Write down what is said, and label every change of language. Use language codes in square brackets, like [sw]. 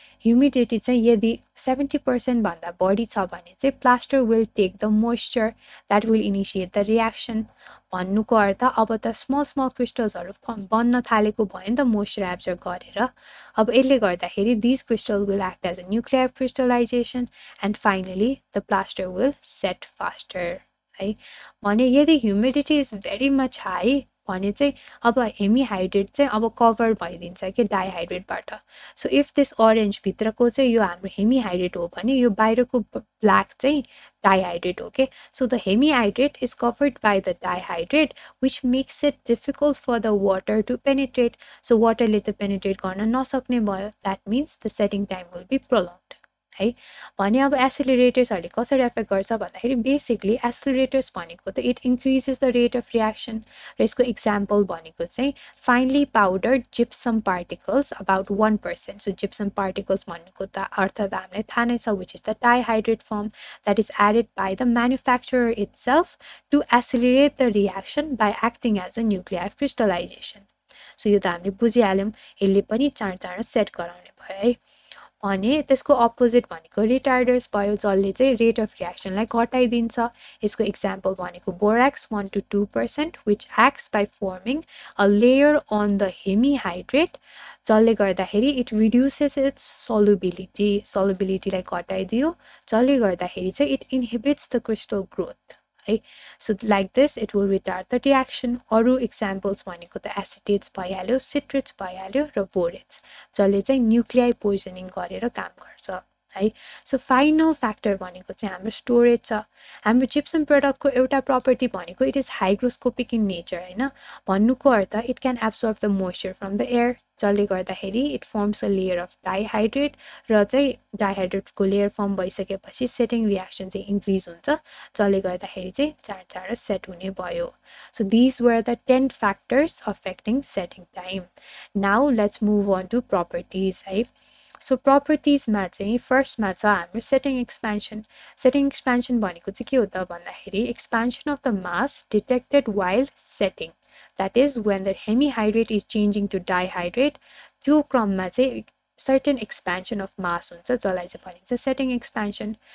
[ne] Humidity चाहिँ यदि 70% भन्दा बढी छ भने चाहिँ [en] plaster will take the moisture that will initiate the reaction [ne] भन्नुको अर्थ अब त स्मल स्मल क्रिस्टल्सहरू बन्न थालेको भयो नि त मोइस्चर एब्जर्ब गरेर अब यसले गर्दाखेरि [en] these crystal will act as a nuclear crystallization and finally the plaster will set faster [ne] है भने यदि humidity [en] is very much high [ne] भने चाहिँ अब हेमिहाइड्रेट चाहिँ अब कभर भइदिन्छ कि डाइहाइड्रेटबाट. सो इफ दिस अरेन्जभित्रको चाहिँ यो हाम्रो हेमिहाइड्रेट हो भने यो बाहिरको ब्ल्याक चाहिँ डाइहाइड्रेट हो के. [en] So the hemihydrate is covered by the dihydrate which makes it difficult for the water to penetrate. [ne] So वाटरले त पेनिट्रेट गर्न नसक्ने भयो [en] that means the setting time will be prolonged [ne] है भने अब एसिलरेटर्सहरूले कसरी एफेक्ट गर्छ भन्दाखेरि [en] basically accelerators भनेको त it increases the rate of reaction [ne] र यसको इक्जाम्पल भनेको चाहिँ [en] Finely powdered gypsum particles about 1%. So gypsum particles [ne] भन्नुको त अर्थ त हामीलाई थाहा नै छ, [en] Which is the dihydrate form that is added by the manufacturer itself to accelerate the reaction by acting as a nuclei crystallization. [ne] So यो त हामीले बुझिहाल्यौँ, यसले पनि चाँडो चाँडो सेट गराउने भयो है. अनि त्यसको अपोजिट भनेको रिटार्डर्स भयो, जसले चाहिँ रेट अफ रिएक्सनलाई घटाइदिन्छ. यसको इक्जाम्पल भनेको borax 1-2%, [en] which acts by forming a layer on the hemihydrate, [ne] जसले गर्दाखेरि [en] it reduces its solubility, [ne] सोलुबिलिटीलाई घटाइदियो, जसले गर्दाखेरि चाहिँ [en] It inhibits the crystal growth. है so like this it will retard the reaction. [ne] अरू इक्जाम्पल्स भनेको त एसिडेट्स भइहाल्यो, सिट्रेट्स भइहाल्यो र बोरेट्स, जसले चाहिँ न्युक्लियाई पोइजनिङ गरेर काम गर्छ है. सो फाइनल फ्याक्टर भनेको चाहिँ हाम्रो स्टोरेज छ. हाम्रो जिप्सम प्रडक्टको एउटा प्रपर्टी भनेको [en] it is hygroscopic in nature, [ne] होइन, भन्नुको earth [en] it can absorb the moisture from the air, [ne] जसले गर्दाखेरि [en] it forms a layer of dihydrate, [ne] र चाहिँ डाइहाइड्रेटको लेयर फर्म भइसकेपछि सेटिङ रियाक्सन चाहिँ इन्क्रिज हुन्छ, जसले गर्दाखेरि चाहिँ चाँडो चाँडो सेट हुने भयो. [en] So these were the 10 factors affecting setting time. Now let's move on to properties है. [ne] सो प्रपर्टिजमा चाहिँ फर्स्टमा छ हाम्रो सेटिङ एक्सपेन्सन. [en] setting expansion [ne] भनेको चाहिँ के हो त भन्दाखेरि [en] Expansion of the mass detected while setting, that is when the hemihydrate is changing to dihydrate. [ne] त्यो क्रममा चाहिँ सर्टेन एक्सपेन्सन अफ मास हुन्छ, जसलाई चाहिँ भनिन्छ सेटिङ एक्सपेन्सन.